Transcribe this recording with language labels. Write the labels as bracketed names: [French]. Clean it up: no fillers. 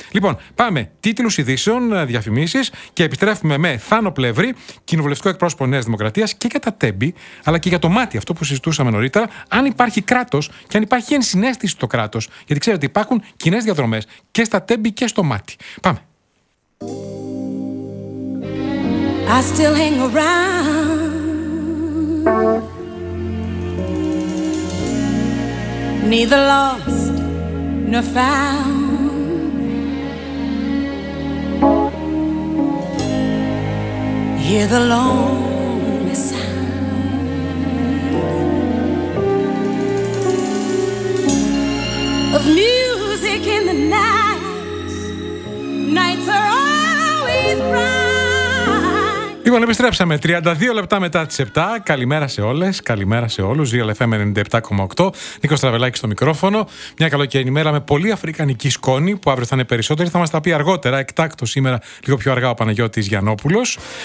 [Greek] Λοιπόν, πάμε τίτλους ειδήσεων, διαφημίσεις και επιστρέφουμε με Θάνο Πλεύρη, κοινοβουλευτικό εκπρόσωπο Νέας Δημοκρατίας, και για τα Τέμπη, αλλά και για το Μάτι, αυτό που συζητούσαμε νωρίτερα, αν υπάρχει κράτος και αν υπάρχει ενσυναίσθηση στο κράτος. Γιατί ξέρετε, υπάρχουν κοινές διαδρομές και στα Τέμπη και στο Μάτι. Πάμε. [English] I still hang around, neither lost nor found. hear the lonely sound of music in the night. Nights are always bright. [Greek] Λοιπόν, επιστρέψαμε 32 λεπτά μετά τις 7. Καλημέρα σε όλες, καλημέρα σε όλους. Real FM 97,8. Νίκος Τραβελάκης στο μικρόφωνο. Μια καλοκαιρινή μέρα με πολύ αφρικανική σκόνη που αύριο θα είναι περισσότερη. Θα μας τα πει αργότερα, εκτάκτως σήμερα, λίγο πιο αργά, ο Παναγιώτης Γιαννόπουλος.